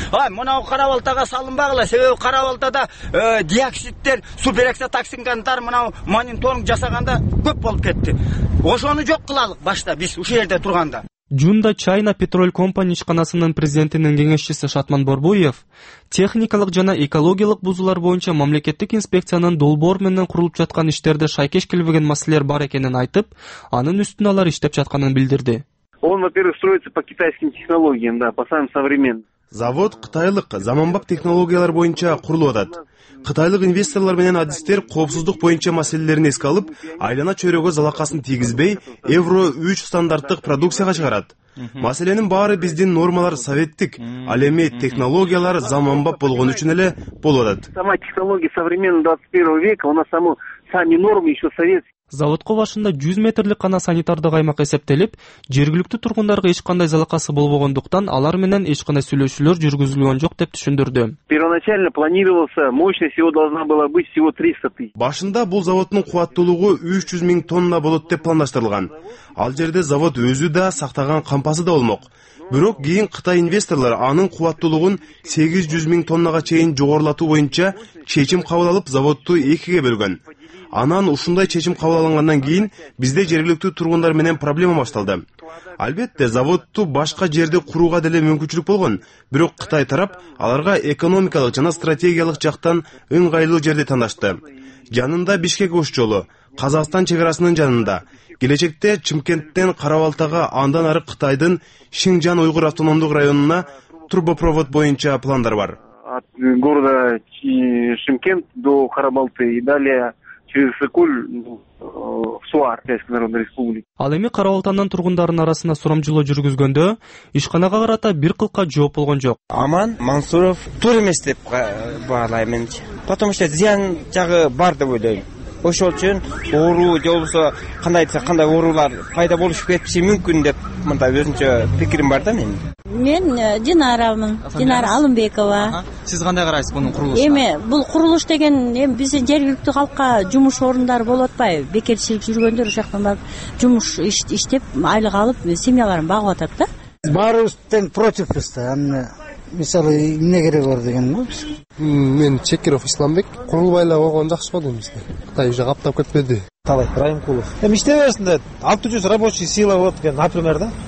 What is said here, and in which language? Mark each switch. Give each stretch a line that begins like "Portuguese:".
Kyrgyz: Ай, мынау Карабалтага салынбагыла, себеби Карабалтада диоксидтер, суперэксотоксингандар мынау мониторинг жасаганда көп болуп кетти. Ошону жок кылалык башта биз ушул жерде турганда. Жунда Чайна Петроль Компани ишканасынын президентинин кеңешчиси Шатман Борбоев техникалык жана экологиялык бузуулар боюнча мамлекеттик инспекциянын долбоор менен курулуп жаткан иштерде шайкеш келбеген маселелер бар экенин айтып, анын үстүнө алар иштеп жатканын билдирди.
Russian: Он, во-первых, строится по китайским технологиям, да, по самым современным.
Kyrgyz: Завод кытайлык заманбап технологиялар боюнча курулуп атат. Кытайлык инвесторлор менен адистер коопсуздук боюнча маселелерин эске алып, айлана чөйрөгө залакасын тийгизбей, Евро 3 стандарттык продукцияга чыгарат. Маселенин баары биздин нормалар советтик, ал эми технологиялар заманбап болгон үчүн эле болуп атат.
Russian: Сама технология современного 21 века, у нас сами нормы еще советские.
Kyrgyz: Заводко башында 100 метрлик гана санитардык аймак эсептелип, жергиликтүү тургундарга эч кандай залакасы болбогондуктан алар менен эч кандай сүйлөшүүлөр жүргүзүлгөн жок деп түшүндүрдү.
Russian: Первоначально планировался, мощность его должна была быть всего 300 тысяч.
Kyrgyz: Башында бул заводтун кубаттуулугу 300 000 тонна болот деп пландаштырылган. Ал жерде завод өзү да сактаган кампасы да болмок. Бирок кийин Кытай инвесторлор анын кубаттуулугун 800 000 тоннага чейин жогорулатуу боюнча чечим кабыл алып, заводду экиге бөлгөн. Анан ушундай чечим кабыл алынгандан кийин бизде жергиликтүү тургундар менен проблема башталды. Албетте, заводду башка жерде курууга деле мүмкүнчүлүк болгон, бирок Кытай тарап аларга экономикалык жана стратегиялык жактан ыңгайлуу жерди тандашты. Жанында Бишкек Ош жолу, Казакстан чек арасынын жанында, келечекте Чымкенттен Карабалтага, андан ары Кытайдын Шинжан Уйгур автономдук районуна трубопровод боюнча пландар бар.
Russian: От города Шымкент до Карабалты и далее через Сыкуль в Суар, Китайская Народная Республика.
Kyrgyz: Ал эми Карабалтандын тургундарынын арасында сурамжылоо жүргүзгөндө ишканага карата бир кылка жооп болгон жок. Аман Мансуров туура эмес деп баалайм менчи.
Russian: Потому что
Kyrgyz: зыян жагы бар деп ойлойм. Ошол үчүн оору же болбосо кандай айтса кандай оорулар пайда болушу кетиши мүмкүн деп мындай өзүнчө пикирим бар да менин. Мен Динарамын, Динара Алымбекова. Сиз кандай карайсыз бунун курулушуна? Эми бул курулуш деген эми биз жергиликтүү калкка жумуш орундары болуп атпайбы? Бекерчилик жүргөндөр ошол жактан барып жумуш иштеп, айлык алып, семьяларын багып атат да. Баарыбыз тең противпиз да. Анан мисалы эмне керек бар деген го биз. Мен Чекиров Исламбек. Курулбай эле болгон жакшы болду бизде. Кытай
Russian: уже
Kyrgyz: каптап кетпеди. Талай Раймкулов. Эми иштей берсин да 600 рабочий сила болот экен, например да.